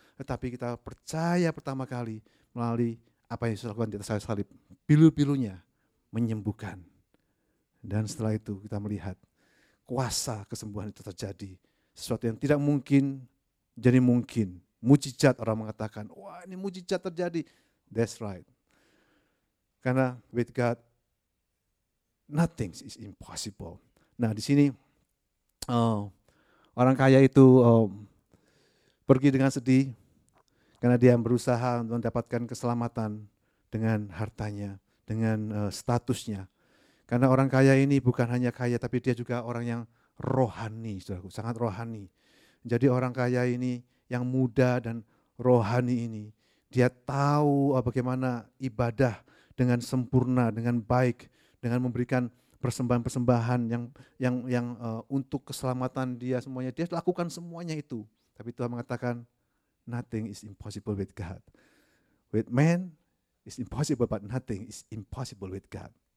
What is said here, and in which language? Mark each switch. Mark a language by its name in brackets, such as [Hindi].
[Indonesian] Tetapi kita percaya pertama kali melalui apa yang Yesus lakukan di atas salib, pilu-pilunya menyembuhkan. Dan setelah itu kita melihat kuasa kesembuhan itu terjadi. Sesuatu yang tidak mungkin jadi mungkin. Mujizat, orang mengatakan, wah ini mujizat terjadi. [English] That's right. Karena with God, nothing is impossible. [Indonesian] Nah di sini orang kaya itu pergi dengan sedih. Karena dia berusaha untuk mendapatkan keselamatan dengan hartanya. dengan statusnya. Karena orang kaya ini bukan hanya kaya, tapi dia juga orang yang rohani, saudaraku, sangat rohani. Jadi orang kaya ini yang muda dan rohani ini, dia tahu bagaimana ibadah dengan sempurna, dengan baik, dengan memberikan persembahan-persembahan yang untuk keselamatan dia semuanya. Dia lakukan semuanya itu. Tapi Tuhan mengatakan, [English] nothing is impossible with God. With man, it's impossible, but nothing is impossible with God.